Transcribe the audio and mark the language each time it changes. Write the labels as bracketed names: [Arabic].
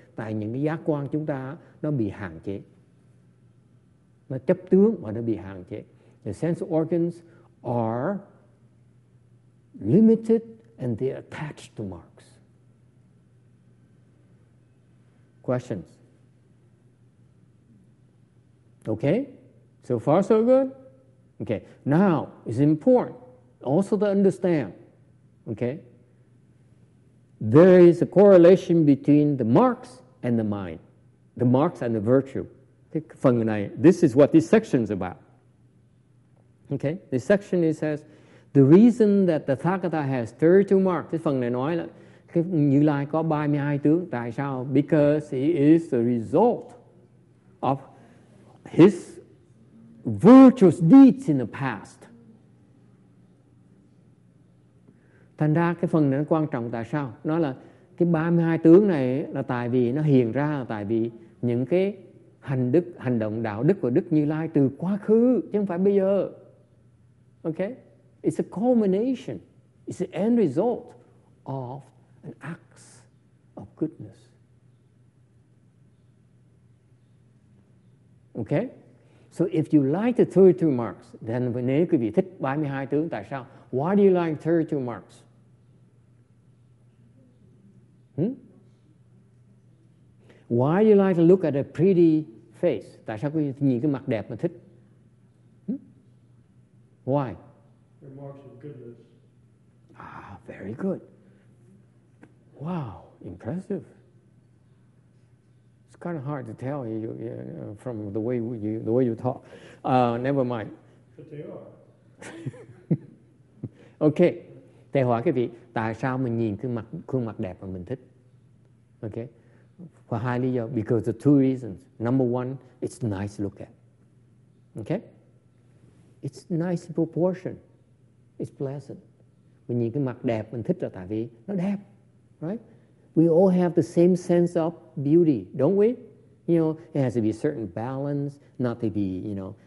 [Vietnamese] Tại những cái giác quan chúng ta nó bị hạn chế. Nó chấp tướng mà nó bị hạn chế. [English] The sense organs are limited and they're attached to marks. Questions? Okay? So far so good? Okay, now it's important also to understand, okay, there is a correlation between the marks and the mind, the marks and the virtue. This is what this section is about. Okay, this section it says, the reason that the Tathagata has 32 marks, this [Vietnamese] phần này nói là, Như Lai có 32 tướng, tại sao? [English] Because he is the result of his virtuous deeds in the past. [Vietnamese] Thành ra cái phần này nó quan trọng tại sao? Nó là cái 32 tướng này là tại vì nó hiện ra là tại vì những cái hành đức, hành động đạo đức của Đức Như Lai từ quá khứ, chứ không phải bây giờ. [English] Okay? It's a culmination. It's the end result of an acts of goodness. Okay? So if you like the 32 marks, then [Vietnamese] nếu quý vị thích 32 tướng, tại sao? [English] Why do you like 32 marks? Why do you like to look at a pretty face? [Vietnamese] Tại sao quý vị nhìn cái mặt đẹp mà thích? [English] Why? They're marks of goodness. Ah, very good. Wow, impressive. Kind of hard to tell you from the way you talk. Never mind. But they are. Okay. [Vietnamese] Thầy hỏi quý vị, tại sao mình nhìn cái mặt, khuôn mặt đẹp mà mình thích? [English] Okay. For [Vietnamese] hai lý do. [English] Because of two reasons. Number one, it's nice to look at. Okay. It's nice in proportion. It's pleasant. [Vietnamese] Mình nhìn cái mặt đẹp mình thích là tại vì nó đẹp. [English] Right? We all have the same sense of beauty, don't we? You know, it has to be a certain balance, not to be, you know,